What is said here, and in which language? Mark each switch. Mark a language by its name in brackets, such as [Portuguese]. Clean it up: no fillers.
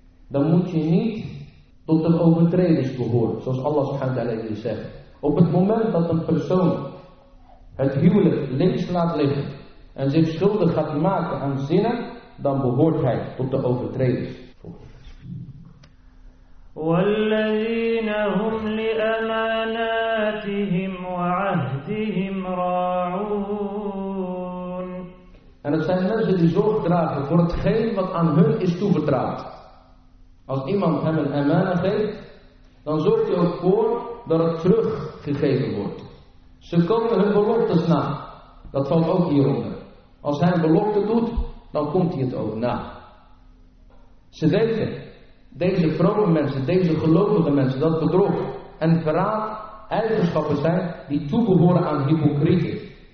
[Dutch] Dan moet je niet tot de overtreders behoren, zoals Allah [Arabic] subhanahu wa ta'ala [Dutch] zegt. Op het moment dat een persoon het huwelijk links laat liggen en zich schuldig gaat maken aan zinnen, dan behoort hij tot de overtreders. [Arabic] والذين هم لأماناتهم وعهدهم راعون. [Dutch] En het zijn mensen die zorg dragen voor hetgeen wat aan hun is toevertrouwd. Als iemand hem een amana geeft, dan zorgt hij ervoor dat het teruggegeven wordt. Ze komen hun beloftes na. Dat valt ook hieronder. Als hij een belofte doet, dan komt hij het ook na. Ze weten, deze vrome mensen, deze gelovige mensen, dat bedrog en verraad eigenschappen zijn die toebehoren aan hypocrieten.